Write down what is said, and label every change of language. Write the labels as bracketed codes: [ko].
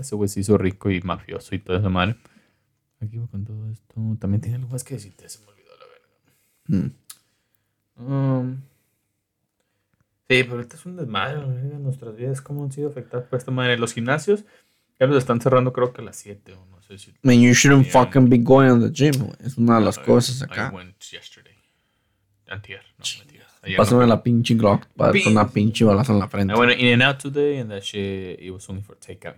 [es] Ese güey se hizo rico y mafioso y toda esa madre. Aquí voy con todo esto. También tiene algo más que decirte, se me olvidó la verga. Sí, pero esto es un desmadre, ¿verdad? Nuestras vidas, ¿cómo han sido afectadas por esta madre? Los gimnasios ya los están cerrando, creo que a las 7 o no sé si. [en] Man, you shouldn't fucking be going to the gym, güey. [es] Es una de las cosas acá. [en] I went yesterday. [es] Antier, no, pásame la pinche Glock para darte una pinche balazo en la frente. [en] I went in and out today and that shit, it was only for takeout.